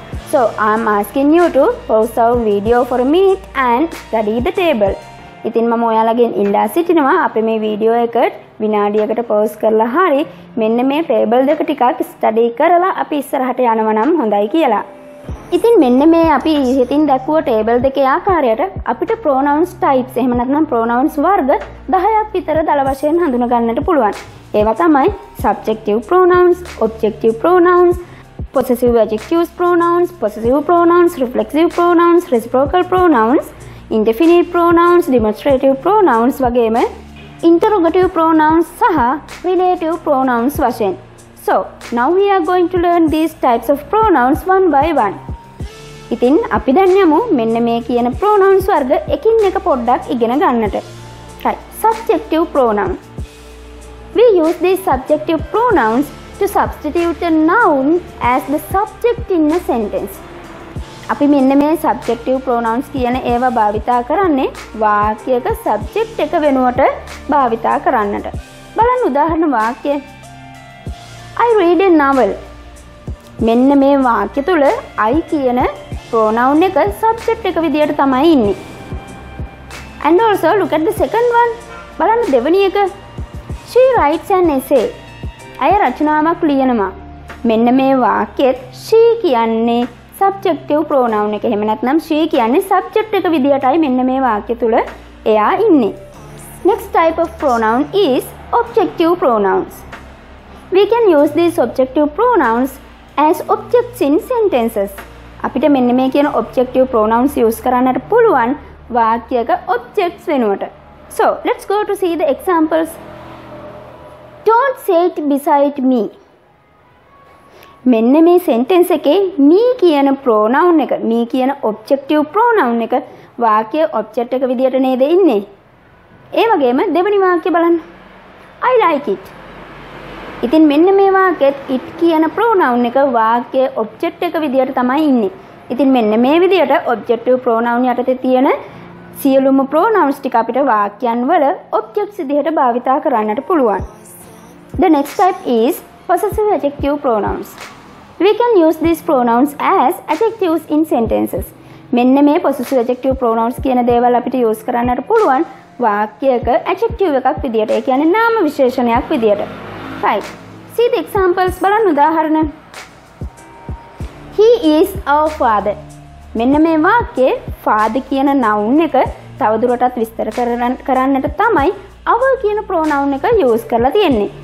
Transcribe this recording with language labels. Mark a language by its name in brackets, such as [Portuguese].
[English] So I'm asking you to pause our video for a minute and study the table. [Sinhala] ඉතින් මම ඔයාලගෙන් ඉල්ලා සිටිනවා අපි මේ වීඩියෝ එක විනාඩියකට පෝස් කරලා හරි මෙන්න මේ ටේබල් දෙක ටිකක් ස්ටඩි කරලා අපි ඉස්සරහට යනවා නම් හොඳයි කියලා. ඉතින් මෙන්න මේ අපි ඉහතින් දැක්ව ටේබල් දෙකේ ආකාරයට අපිට ප්‍රොනවුන්ස් ටයිප්ස් එහෙම නැත්නම් ප්‍රොනවුන්ස් වර්ග 10ක් විතර දල වශයෙන් හඳුනා ගන්නට පුළුවන්. ඒවා තමයි subjective pronounce, objective pronounce, පොසෙසිව් ඇඩ්ජෙක්ටිව්ස් pronounce, පොසෙසිව් pronounce, රිෆ්ලෙක්සිව් pronounce, reciprocal pronounce, ඉන්ඩෙෆිනිට් pronounce, ඩිමොන්ස්ට්‍රේටිව් pronounce වගේම ඉන්ටරෝගටිව් ප්‍රොනවුන්ස් සහ රිලේටිව් ප්‍රොනවුන්ස් වශයෙන්. [English] So now we are going to learn these types of pronouns one by one. [Sinhala] ඉතින් අපි දැන් යමු මෙන්න මේ කියන pronouns වර්ග එකින් එක පොඩ්ඩක් ඉගෙන ගන්නට. [English] Right. Subjective pronoun. We use these subjective pronouns to substitute a noun as the subject in a sentence. [Sinhala] අපි මෙන්න මේ subjective pronouns කියන ඒවා භාවිතා කරන්නේ වාක්‍යයක subject එක වෙනුවට භාවිතා කරන්නට. බලන්න උදාහරණ වාක්‍ය. [English] I read a novel. [Sinhala] මෙන්න මේ වාක්‍ය තුල I කියන pronoun එක subject එක විදියට තමයි ඉන්නේ. [English] And also look at the second one. [Sinhala] බලන්න දෙවෙනි එක. [English] She writes an essay. [Sinhala] අය රචනාවක් ලියනවා. මෙන්න මේ වාක්‍යෙත් she කියන්නේ subjective pronoun එක. එහෙම නැත්නම් she කියන්නේ subject එක විදියටයි මෙන්න මේ වාක්‍ය තුල එයා ඉන්නේ. [English] Next type of pronoun is objective pronouns. We can use these objective pronouns as objects in sentences. [Sinhala] අපිට මෙන්න මේ කියන objective pronouns use කරන්නට පුළුවන් වාක්‍යයක objects වෙනුවට. [English] So, let's go to see the examples. Don't say it beside me. [Sinhala] මෙන්න මේ sentence එකේ me කියන pronoun එක, me කියන objective pronoun එක වාක්‍ය object එක විදියට නේද ඉන්නේ? ඒ වගේම දෙවෙනි වාක්‍ය බලන්න. [English] I like it. [Sinhala] ඉතින් මෙන්න මේ වාක්‍යෙත් it කියන pronoun එක වාක්‍යයේ object එක විදියට තමයි ඉන්නේ. ඉතින් මෙන්න මේ විදියට objective pronoun යටතේ තියෙන සියලුම pronouns ටික අපිට වාක්‍යයන් වල objects විදියට භාවිත කරන්නට පුළුවන්. [English] The next type is possessive adjective pronouns. We can use these pronouns as adjectives in sentences. [Sinhala] මෙන්න මේ possessive adjective pronouns කියන දේවල් අපිට use කරන්නට පුළුවන් වාක්‍යයක adjective එකක් විදියට. ඒ කියන්නේ නාම විශේෂණයක් විදියට. [English] Right. See the examples. [Sinhala] බලන්න උදාහරණ. [English] He is our father. [Sinhala] මෙන්න මේ වාක්‍යයේ father කියන noun එක තවදුරටත් විස්තර කරන්නට තමයි our කියන pronoun එක use කරලා තියෙන්නේ.